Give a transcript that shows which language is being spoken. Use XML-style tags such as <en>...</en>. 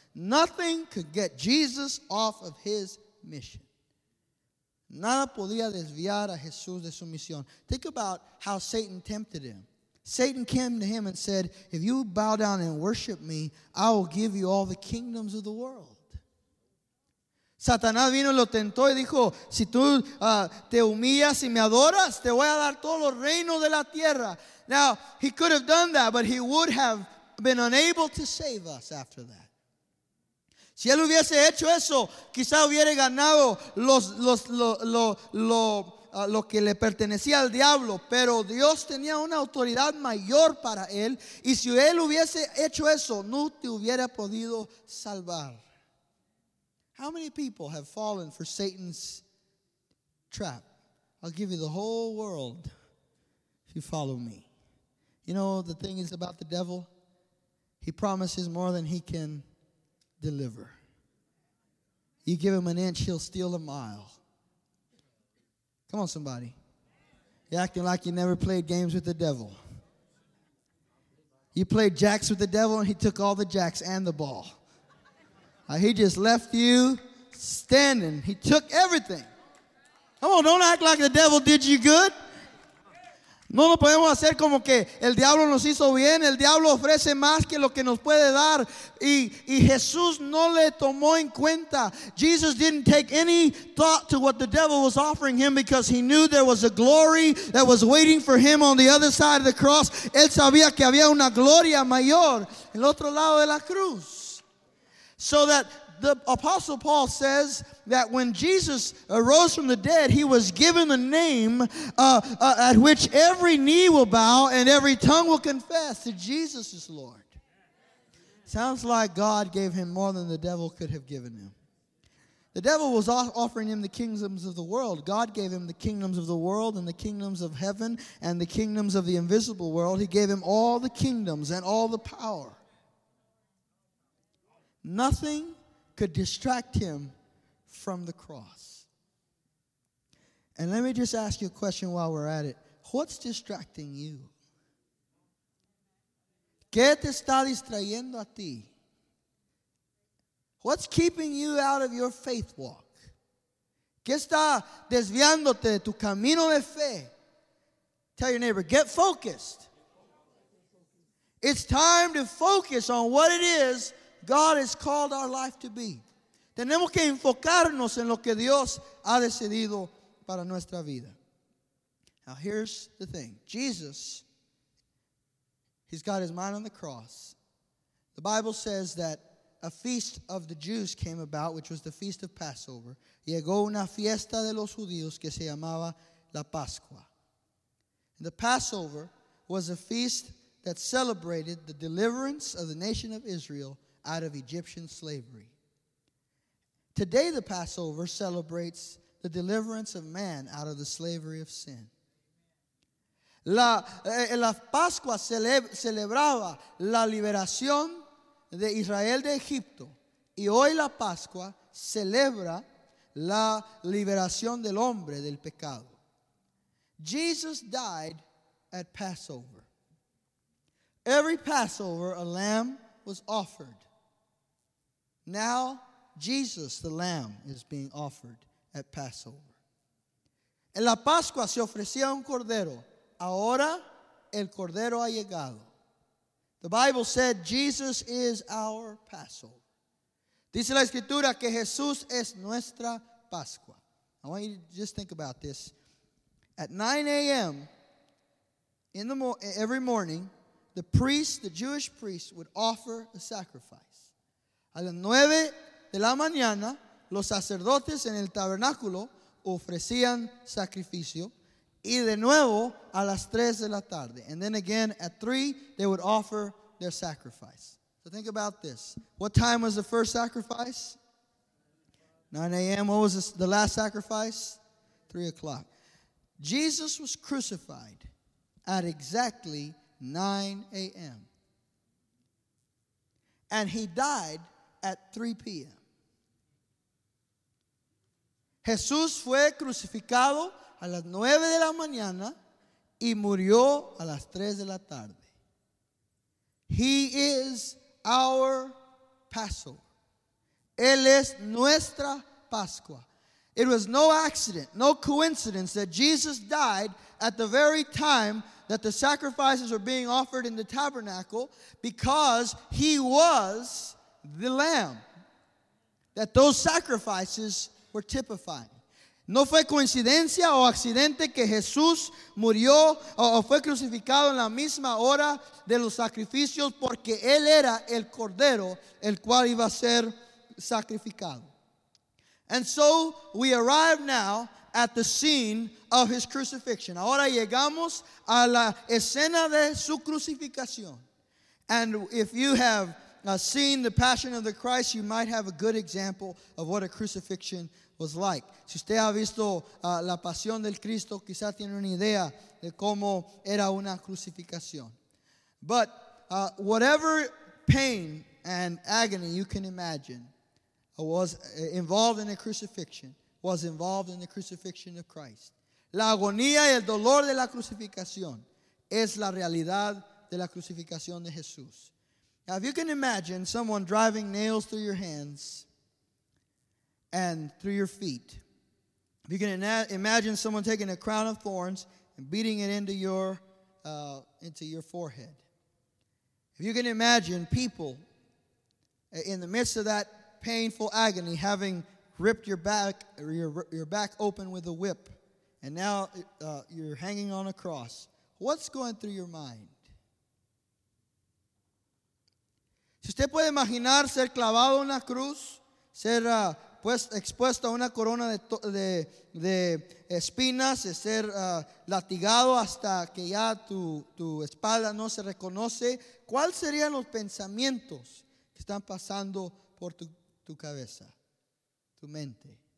<en>Nothing could get Jesus off of his mission.</en> <es>Nada podía desviar a Jesús de su misión.</es> <en>Think about how Satan tempted him. Satan came to him and said, if you bow down and worship me, I will give you all the kingdoms of the world.</en> <es>Satanás vino y lo tentó y dijo, si tú te humillas y me adoras, te voy a dar todos los reinos de la tierra.</es> <en>Now, he could have done that, but he would have been unable to save us after that.</en> <es>Si él hubiese hecho eso, quizá hubiera ganado lo que le pertenecía al diablo, pero Dios tenía una autoridad mayor para él, y si él hubiese hecho eso, no te hubiera podido salvar.</es> <en>How many people have fallen for Satan's trap? I'll give you the whole world if you follow me. You know the thing is about the devil? He promises more than he can deliver. You give him an inch, he'll steal a mile. Come on, somebody. You're acting like you never played games with the devil. You played jacks with the devil and he took all the jacks and the ball. He just left you standing. He took everything. Come on, don't act like the devil did you good.</en> <es>No lo podemos hacer como que el diablo nos hizo bien. El diablo ofrece más que lo que nos puede dar. Y Jesús no le tomó en cuenta.</es> <en>Jesus didn't take any thought to what the devil was offering him because he knew there was a glory that was waiting for him on the other side of the cross.</en> <es>Él sabía que había una gloria mayor en el otro lado de la cruz.</es> <en>So that the Apostle Paul says that when Jesus arose from the dead, he was given the name at which every knee will bow and every tongue will confess that Jesus is Lord. Sounds like God gave him more than the devil could have given him. The devil was offering him the kingdoms of the world. God gave him the kingdoms of the world and the kingdoms of heaven and the kingdoms of the invisible world. He gave him all the kingdoms and all the power. Nothing could distract him from the cross. And let me just ask you a question while we're at it. What's distracting you?</en> <es>¿Qué te está distrayendo a ti?</es> <en>What's keeping you out of your faith walk?</en> <es>¿Qué está desviándote de tu camino de fe?</es> <en>Tell your neighbor, get focused. It's time to focus on what it is God has called our life to be.</en> <es>Tenemos que enfocarnos en lo que Dios ha decidido para nuestra vida.</es> <en>Now here's the thing. Jesus, he's got his mind on the cross. The Bible says that a feast of the Jews came about, which was the feast of Passover.</en> <es>Llegó una fiesta de los judíos que se llamaba la Pascua.</es> <en>And the Passover was a feast that celebrated the deliverance of the nation of Israel out of Egyptian slavery. Today the Passover celebrates the deliverance of man out of the slavery of sin.</en> <es>La Pascua celebraba la liberación de Israel de Egipto. Y hoy la Pascua celebra la liberación del hombre del pecado.</es> <en>Jesus died at Passover. Every Passover, a lamb was offered. Now, Jesus, the lamb, is being offered at Passover.</en> <es>En la Pascua se ofrecía un cordero. Ahora, el cordero ha llegado.</es> <en>The Bible said Jesus is our Passover.</en> <es>Dice la Escritura que Jesús es nuestra Pascua.</es> <en>I want you to just think about this. At 9 a.m. Every morning, the priest, the Jewish priest, would offer a sacrifice.</en> <es>A las 9 de la mañana, los sacerdotes en el tabernáculo ofrecían sacrificio. Y de nuevo, a las 3 de la tarde.</es> <en>And then again, at 3, they would offer their sacrifice. So think about this. What time was the first sacrifice? 9 a.m. What was the last sacrifice? 3 o'clock. Jesus was crucified at exactly 9 a.m. And he died at 3 p.m.</en> <es>Jesús fue crucificado a las 9 de la mañana y murió a las 3 de la tarde.</es> <en>He is our Passover.</en> <es>Él es nuestra Pascua.</es> <en>It was no accident, no coincidence that Jesus died at the very time that the sacrifices were being offered in the tabernacle, because he was the lamb that those sacrifices were typifying.</en> <es>No fue coincidencia o accidente que Jesús murió o fue crucificado en la misma hora de los sacrificios, porque él era el cordero el cual iba a ser sacrificado.</es> <en>And so we arrive now at the scene of his crucifixion.</en> <es>Ahora llegamos a la escena de su crucificación.</es> <en>And if you have seen the Passion of the Christ, you might have a good example of what a crucifixion was like.</en> <es>Si usted ha visto la Pasión del Cristo, quizá tiene una idea de cómo era una crucificación.</es> <en>But whatever pain and agony you can imagine was involved in the crucifixion, was involved in the crucifixion of Christ.</en> <es>La agonía y el dolor de la crucificación es la realidad de la crucificación de Jesús.</es> <en>Now, if you can imagine someone driving nails through your hands and through your feet, if you can imagine someone taking a crown of thorns and beating it into your forehead, if you can imagine people in the midst of that painful agony having ripped your back open with a whip, and now you're hanging on a cross, what's going through your mind?</en> <es>Si usted puede imaginar ser clavado en una cruz, ser expuesto a una corona de espinas, ser latigado hasta que ya tu espalda no se reconoce, ¿cuáles serían los pensamientos que están pasando por tu cabeza, tu mente?</es>